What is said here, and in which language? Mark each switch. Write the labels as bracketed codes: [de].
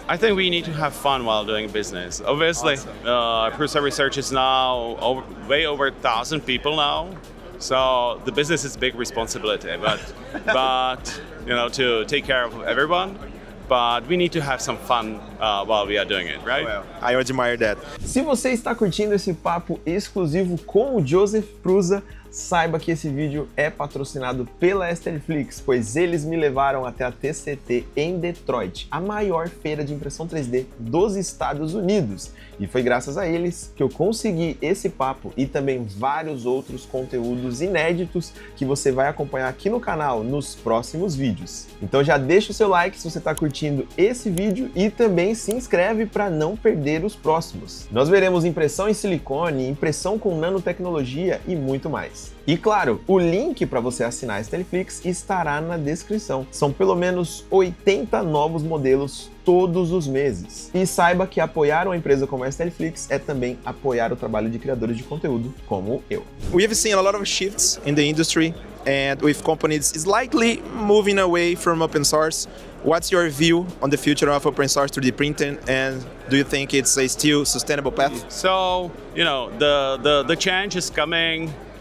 [en] I think we need to have fun while doing business. Obviously, awesome. Prusa Research is now way over 1,000 people now. So the business is a big responsibility, but, but, you know, to take care of everyone. But we need to have some fun while we are doing it, right? Well, I admire that. [pt] Se você está curtindo esse papo exclusivo com o Josef Prusa, saiba que esse vídeo é patrocinado pela Esterflix, pois eles me levaram até a TCT em Detroit, a maior feira de impressão 3D dos Estados Unidos. E foi graças a eles que eu consegui esse papo e também vários outros conteúdos inéditos que você vai acompanhar aqui no canal nos próximos vídeos. Então já deixa o seu like se você está curtindo esse vídeo e também se inscreve para não perder os próximos. Nós veremos impressão em silicone, impressão com nanotecnologia e muito mais. E claro, o link para você assinar a Esterflix estará na descrição. São pelo menos 80 novos modelos todos os meses. E saiba que apoiar uma empresa como a Esterflix é também apoiar o trabalho de criadores de conteúdo como eu. [en] We have seen a lot of shifts in the industry and with companies slightly moving away from open source. What's your view on the future of open source 3D printing, and do you think it's a still sustainable path? So, you know, the change is coming.